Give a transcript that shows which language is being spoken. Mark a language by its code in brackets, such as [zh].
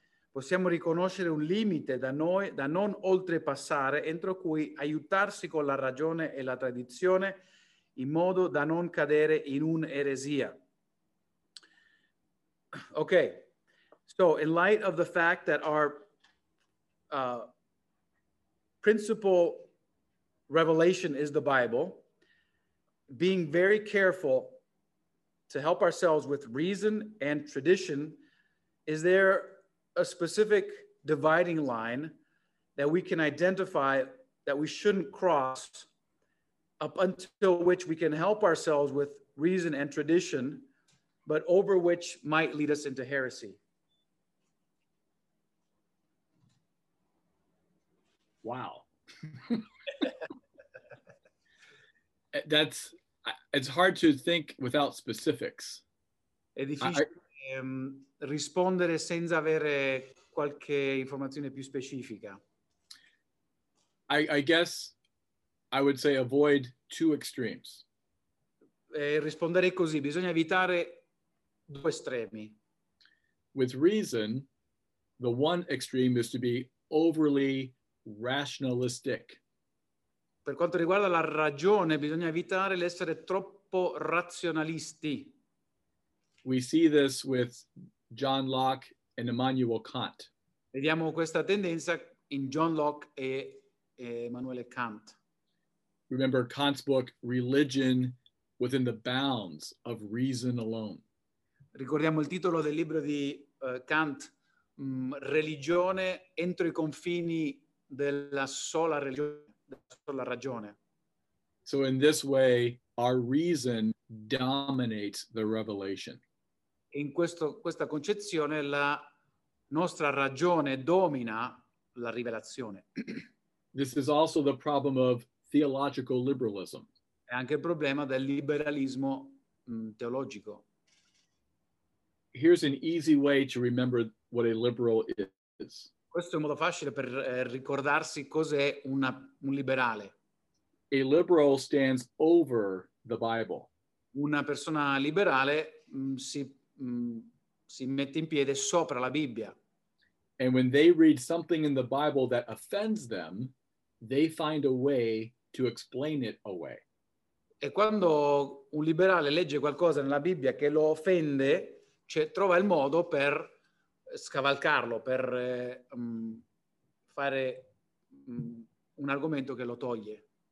[it] Possiamo riconoscere un limite da noi da non oltrepassare entro cui aiutarsi con la ragione e la tradizione in modo da non cadere in un'eresia? [en] Okay, so in light of the fact that our principal revelation is the Bible, being very careful to help ourselves with reason and tradition, is there a specific dividing line that we can identify that we shouldn't cross up until which we can help ourselves with reason and tradition, but over which might lead us into heresy? Wow. That's, it's hard to think without specifics. [it] È difficile rispondere senza avere qualche informazione più specifica. [en] I guess I would say avoid two extremes. [it] Risponderei così, bisogna evitare due estremi. [en] With reason, the one extreme is to be overly rationalistic. [it] Per quanto riguarda la ragione, bisogna evitare l'essere troppo razionalisti. [en] We see this with John Locke and Immanuel Kant. [it] Vediamo questa tendenza in John Locke e Immanuel Kant. [en] Remember Kant's book, Religion Within the Bounds of Reason Alone. [it] Ricordiamo il titolo del libro di Kant, Religione entro i confini della sola religione, della sola ragione. [en] So in this way, our reason dominates the revelation. [it] In questa concezione, la nostra ragione domina la rivelazione. [en] This is also the problem of theological liberalism. [it] È anche il problema del liberalismo teologico. [en] Here's an easy way to remember what a liberal is. [it] Questo è un modo facile per ricordarsi cos'è un liberale. [en] A liberal stands over the Bible. [it] Una persona liberale si mette in piedi sopra la Bibbia. [en] And when they read something in the Bible that offends them, they find a way to explain it away. [it] E quando un liberale legge qualcosa nella Bibbia che lo offende, cioè trova il modo per scavalcarlo, per fare un argomento che lo toglie.